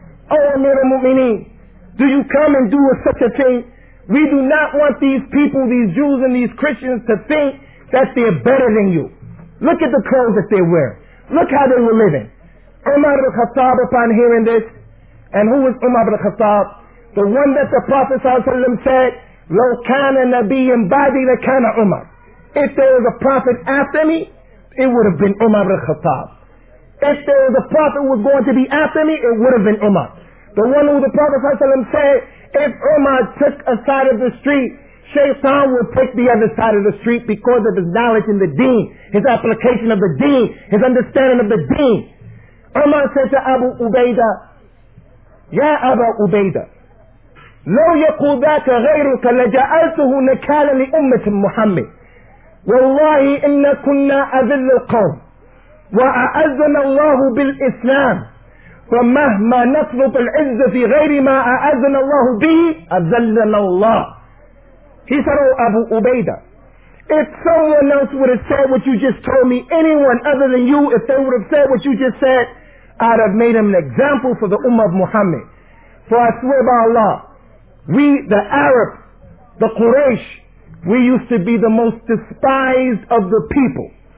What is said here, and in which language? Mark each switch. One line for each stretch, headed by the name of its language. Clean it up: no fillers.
English: Oh Amir al-Mu'mineen, do you come and do such a thing? We do not want these people, these Jews and these Christians, to think that they're better than you. Look at the clothes that they wear. Look how they were living. Umar al-Khattab, upon hearing this, and who was Umar al-Khattab? The one that the Prophet ﷺ said,
Arabic: لَوْ كَانَ نَبِيٍ بَعْدِي لَكَانَ عُمَرٍ.
English: If there was a Prophet after me, it would have been Umar al-Khattab. If there was a Prophet who was going to be after me, it would have been Umar. The one who the Prophet ﷺ said, if Umar took a side of the street, Shaytan would take the other side of the street because of his knowledge in the deen, his application of the deen, his understanding of the deen. Umar said to Abu Ubaidah,
Arabic: Ya Abu Ubaidah, لو يقول ذاك غيرك لجعلته نكالا لأمة محمد. والله إن كنا أذل القوم وأعزنا الله بالإسلام فمهما نطلب العز في غير ما أعزنا الله به أذلنا الله.
English: He said, oh Abu Ubaidah, if someone else would have said what you just told me, anyone other than you, if they would have said what you just said, I'd have made him an example for the Ummah of Muhammad. For I swear by Allah, we the Arabs, the Quraysh, we used to be the most despised of the people.